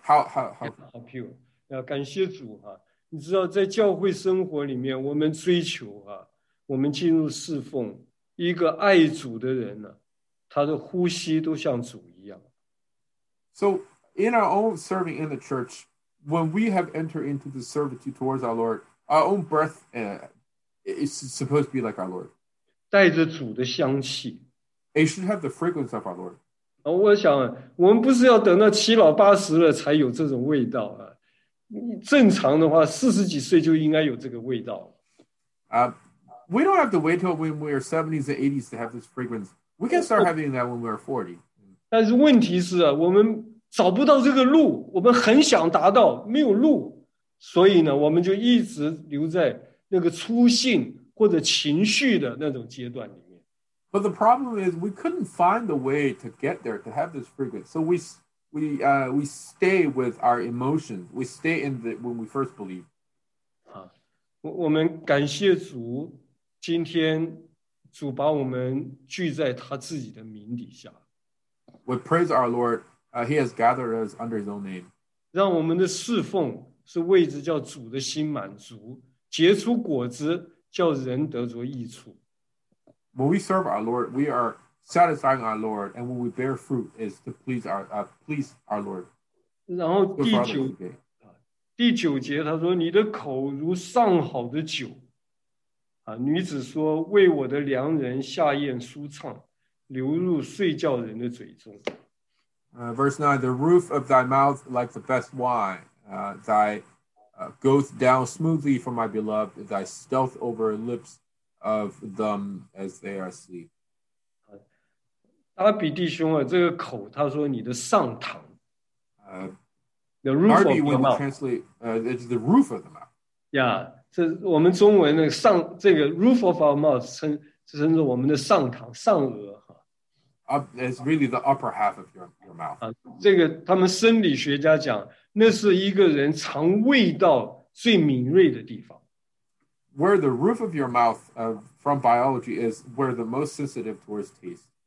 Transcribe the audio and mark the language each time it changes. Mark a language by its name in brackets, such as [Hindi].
[English] How pure. [Chinese] 要感谢主啊。你知道在教会生活里面我们追求啊，我们进入侍奉，一个爱主的人呢，他的呼吸都像主一样。 [English] So in our own serving in the church, when we have entered into the servitude towards our Lord, our own breath is supposed to be like our Lord. [Chinese] 带着主的香气。 [English] It should have the fragrance of our Lord. [Chinese] 我想我们不是要等到七老八十了才有这种味道啊。正常的话四十几岁就应该有这个味道。 [English] We don't have to wait till when we are 70s and 80s to have this fragrance. We can start having that when we are 40. [Chinese] 但是问题是我们找不到这个路，我们很想达到没有路。所以呢我们就一直留在那个初信或者情绪的那种阶段里面。 [English] But the problem is we couldn't find the way to get there to have this fragrance. So we stay with our emotions. We stay in the when we first believe. [Chinese] 我们感谢主，今天主把我们聚在他自己的名底下。 [English] We praise our Lord. He has gathered us under His own name. [Chinese] 让我们的侍奉是为着叫主的心满足，结出果子，叫人得着益处。 [English] When we serve our Lord, we are satisfying our Lord, and when we bear fruit is to please our Lord. [Chinese] 然后第九节他说你的口如上好的酒女子说为我的良人下咽舒畅流入睡觉人的嘴中。 [English] Verse 9, the roof of thy mouth like the best wine, thy goeth down smoothly for my beloved, thy stealth over lips of them as they are asleep. [Chinese] 达比弟兄啊，这个口，他说你的上膛。 [English] The roof Darby, of the mouth. Translate, it's the roof of the mouth. Yeah, [Chinese] 这我们中文的上这个 [English] roof of our mouth [Chinese] 称称作我们的上膛上额哈。 [English] It's really the upper half of your mouth. [Chinese] 这个他们生理学家讲，那是一个人肠胃道最敏锐的地方。 [English] Where the roof of your mouth, from biology, is where the most sensitive towards taste.